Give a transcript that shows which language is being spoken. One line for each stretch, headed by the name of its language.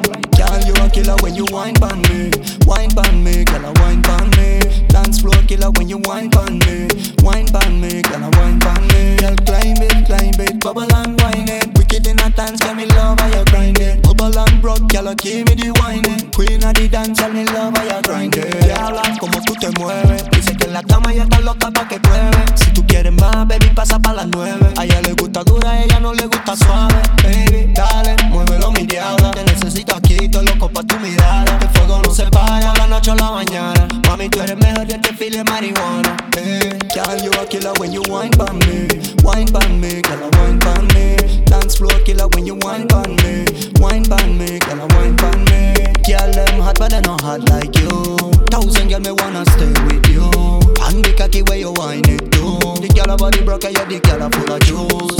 English: Girl, you a killer when you whine pon me. Whine pon me, girl, a whine pon me. Dance floor killer when you whine pon me. Whine pon me, girl, a whine pon me. Girl, climb it, bubble and whine it. Wicked in a dance, girl, me love how you grind it. Bubble and broke, girl, give me the whine it. Queen of the dance, girl, me love how you grind it.
Spanish: Girl, como tú te mueves. Dice que la cama ya está loca pa' que pruebe. Si tú quieres más, baby, pasa pa' las 9. A ella le gusta dura, a ella no le gusta suave. Baby, dale, muévelo, mi diabla. Te necesito aquí, estoy loco pa' tu mirada. Este fuego no se para, la noche o la mañana. Mami, tú eres mejor que el desfile de marihuana.
English: Girl, you a killer when you whine pon me. Whine pon me, girl, a whine pon me. Dance floor killer when you whine pon me. Whine pon me, girl, a whine pon me. Girl, them hot but they're not hot like you. Thousand girl, me wanna stay with you. And be cocky where you whine it too. The girl a body broke, yeah, the girl a full of juice.